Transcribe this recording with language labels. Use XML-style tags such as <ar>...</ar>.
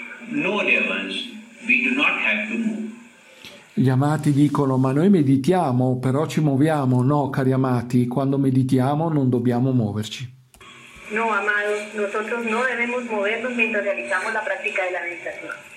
<en>No, dear ones, we do not have to move.</en> <it>Gli amati dicono, ma noi meditiamo, però ci muoviamo. No, cari amati, quando meditiamo non dobbiamo muoverci.</it> <es>No, amado, nosotros no debemos movernos mientras realizamos la práctica de la meditación.</es>